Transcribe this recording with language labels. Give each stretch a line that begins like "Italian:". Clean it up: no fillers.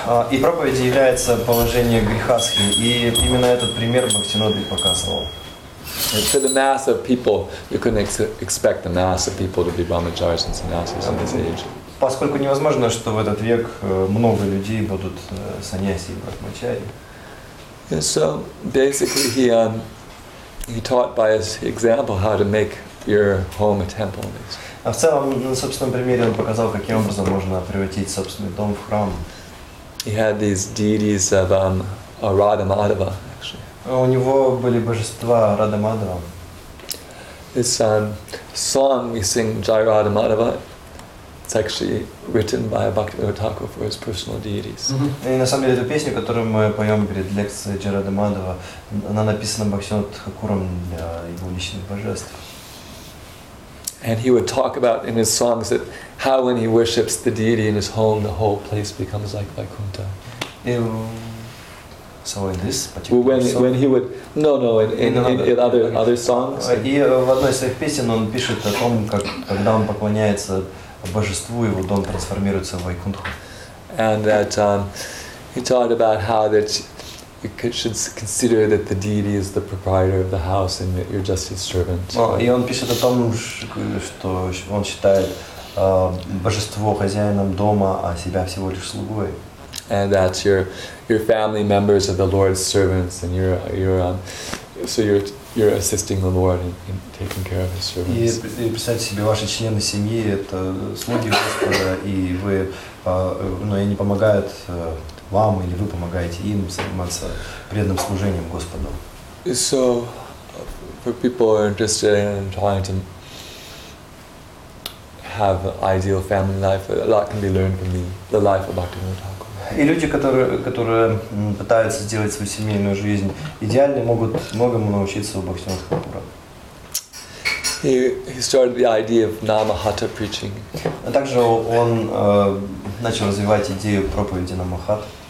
Russian: И проповедью является положение грихасхи, и именно этот пример Бхактисиддханта Тхакур показывал.
English: For the mass of people, you couldn't expect the mass of people to be brahmacharis and sannyasis in this age.
Russian: Поскольку невозможно, что в этот век много людей будут саньяси и брахмачари.
English: So basically, he taught by his example how to make your home a temple.
Russian: А в целом, на собственном примере, он показал, каким образом можно превратить собственный дом в храм.
English: He had these deities of Radha Madhava.
Russian: У него были божества Радха Мадхава.
English: This song we sing, Jai Radha Madhava, it's actually written by Bhaktivinoda Thakur for his personal deities.
Russian: И на самом деле эту песню, которую мы поем перед лекцией Jai Radha Madhava, она написана Бхактивинода Тхакуром для его личных божеств.
English: And he would talk about in his songs that how when he worships the deity in his home, the whole place becomes like Vaikuntha. So in this particular song, in other songs.
Russian: И в одной из своих песен он пишет о том, как когда он поклоняется божеству, его дом трансформируется в Вайкунтху.
English: And that he talked about how that you should consider that the deity is the proprietor of the house and that you're just his servant.
Russian: И он пишет о том, что он считает божество хозяином дома, а себя всего лишь слугой.
English: And that your family members are the Lord's servants, and you're assisting the Lord in taking care of His servants.
Russian: И представьте себе, ваши члены семьи это слуги Господа, и вы, но они помогают вам, или вы помогаете им заниматься преданным служением Господу.
English: So, for people who are interested in trying to have ideal family life, a lot can be learned from the life of Bhaktivinoda Thakur.
Russian: И люди, которые пытаются сделать свою семейную жизнь идеальной, могут многому научиться у Бхактисиддханты Тхакура.
English: He started the idea of Namahata preaching.
Russian: А также он начал развивать идею проповеди Намахат.